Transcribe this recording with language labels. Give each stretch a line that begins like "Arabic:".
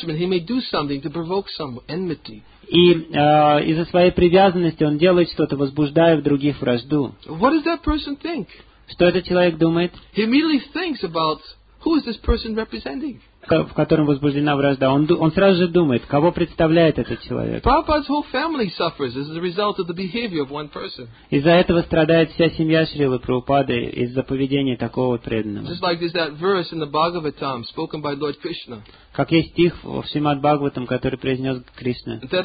Russian: И из-за своей привязанности он делает что-то, возбуждая в других вражду. Что этот человек думает? Он
English: immediately thinks about who is this person representing.
Russian: В котором возбуждена вражда, он сразу же думает, кого представляет этот человек. Из-за этого страдает вся семья Шрилы Прабхупады из-за поведения такого преданного. Как есть стих в Шримад Бхагаватам, который произнес Кришна.